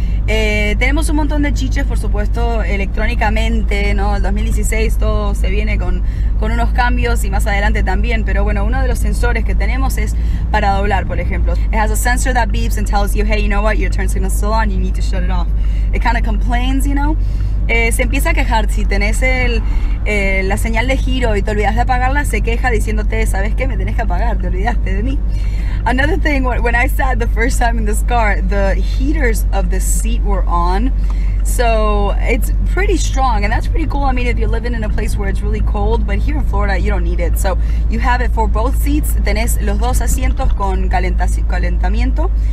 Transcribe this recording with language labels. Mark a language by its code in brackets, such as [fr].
[es] Tenemos un montón de chiches, por supuesto, electrónicamente, ¿no? El 2016 todo se viene con unos cambios y más adelante también. Pero bueno, uno de los sensores que tenemos es para doblar, por ejemplo. [en] It has a sensor that beeps and tells you, hey, you know what, your turn signal's still on, you need to shut it off. It kind of complains, you know? [es] Se empieza a quejar. Si tenés la señal de giro y te olvidas de apagarla, se queja diciéndote, ¿sabes qué? Me tenés que apagar, te olvidaste de mí. [en] Another thing, when I sat the first time in this car, the heaters of the seat were on. So it's pretty strong, and that's pretty cool. I mean, if you're living in a place where it's really cold, but here in Florida, you don't need it. So you have it for both seats. [es] Tenés los dos asientos con calentamiento.